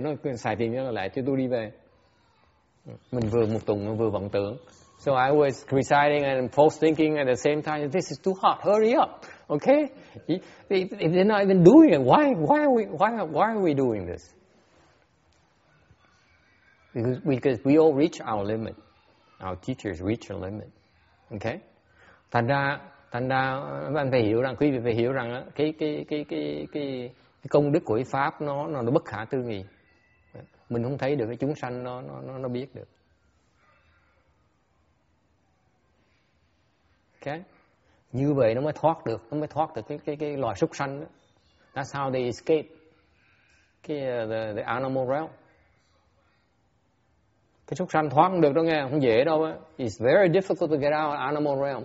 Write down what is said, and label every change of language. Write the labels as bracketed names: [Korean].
[Vietnamese] Nó xài tiền cho lẹ cho tôi đi về. Mình vừa một tùng, vừa vọng tưởng. [English] So I was reciting and false thinking at the same time. This is too hot. Hurry up. Okay? They're not even doing it. Why are we doing this? Because we all reach our limit. Our teachers reach a limit. Okay? [Vietnamese] Thành ra anh phải hiểu rằng, quý vị phải hiểu rằng cái công đức của pháp nó bất khả tư nghị. Mình không thấy được cái chúng sanh nó biết được. Okay? Như vậy nó mới thoát được cái loài súc sanh đó. [English] That's how they escape the animal realm. [Vietnamese] Cái súc sanh thoát được đó nghe, không dễ đâu á. [English] It's very difficult to get out of animal realm.